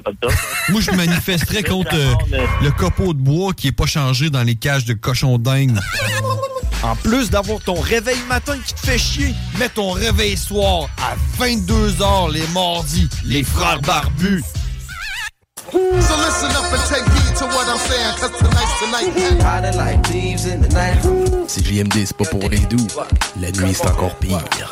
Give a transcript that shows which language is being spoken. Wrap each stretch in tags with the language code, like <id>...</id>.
<fr>pas de tout. Moi, je manifesterais contre le copeau de bois qui est pas changé dans les cages de cochons dingues. En plus d'avoir ton réveil matin qui te fait chier, mets ton réveil soir à 22h les mardis, les frères barbus.</fr> <en>So listen up and take heed to what I'm saying, cause tonight's the night.</en> <fr>Si JMD c'est pas pour les doux, la nuit c'est encore pire.</fr>